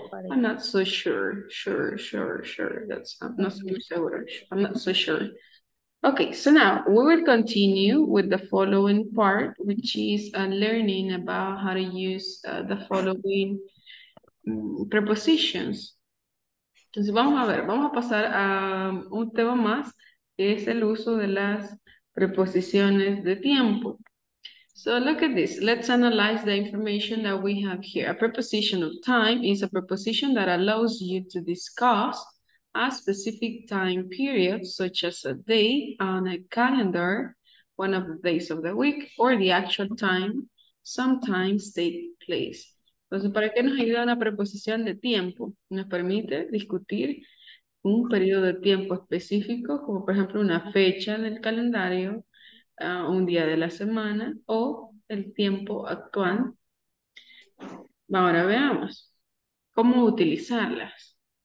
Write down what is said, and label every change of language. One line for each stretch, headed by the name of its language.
English: I'm not so sure. Sure, sure, sure. That's I'm not so sure. Okay, so now we will continue with the following part, which is learning about how to use the following prepositions.
Spanish: Entonces vamos a ver, vamos a pasar a un tema más, que es el uso de las preposiciones de tiempo.
English: So look at this. Let's analyze the information that we have here. A preposition of time is a preposition that allows you to discuss a specific time period, such as a day on a calendar, one of the days of the week, or the actual time, sometimes take place.
Spanish: Entonces, ¿para qué nos ayuda una preposición de tiempo? Nos permite discutir un periodo de tiempo específico, como por ejemplo una fecha en el calendario, un día de la semana o el tiempo actual. Ahora veamos cómo utilizarlas.